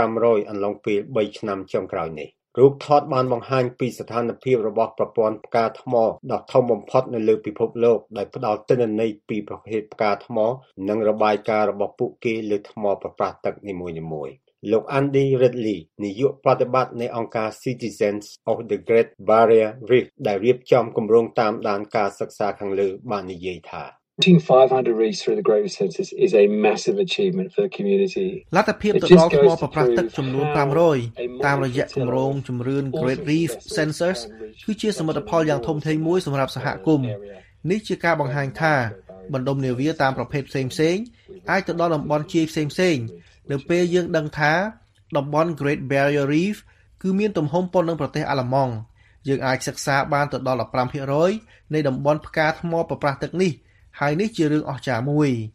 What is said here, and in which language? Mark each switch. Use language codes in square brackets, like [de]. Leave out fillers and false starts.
[km] 500អន្លង់ពេល3ឆ្នាំចុងក្រោយនេះរូបថតបានបង្ហាញពីស្ថានភាពរបស់ប្រព័ន្ធផ្កាថ្មដ៏ធំបំផុតនៅលើពិភពលោកដែលផ្ដល់ទិន្នន័យពីប្រភេទផ្កាថ្មនិងរបាយការណ៍របស់ពួកគេលើថ្មប្រប្រាសទឹកនីមួយៗលោក Andy Ridley នាយកប្រតិបត្តិនៃអង្គការ Citizens of the Great Barrier Reef ដែលរៀបចំគម្រោងតាមដានការសិក្សាខាងលើបាននិយាយថា [en] Ting 500 reefs through the Great Barrier Reef is a massive achievement for the community. [km] លទ្ធភាពទៅដល់ថ្មប្រប្រាសទឹកចំនួន500តាមរយៈគម្រោងជំរឿន Great Reef Sensors គឺជាសមិទ្ធផលយ៉ាងធំធេងមួយសម្រាប់សហគមន៍នេះជាការបង្ហាញថាបណ្ដុំនាវាតាមប្រភេទផ្សេងផ្សេងអាចទៅដល់តំបន់ជាយផ្សេងផ្សេងនៅពេលយើងដឹងថាតំបន់ Great Barrier Reef គឺមានទំហំប៉ុននឹងប្រទេសអាល្លឺម៉ង់យើងអាចសិក្សាបានទៅដល់ 15% នៃតំបន់ផ្កាថ្មប្រប្រាសទឹកនេះហើយនេះជារឿងអស្ចារ្យមួយ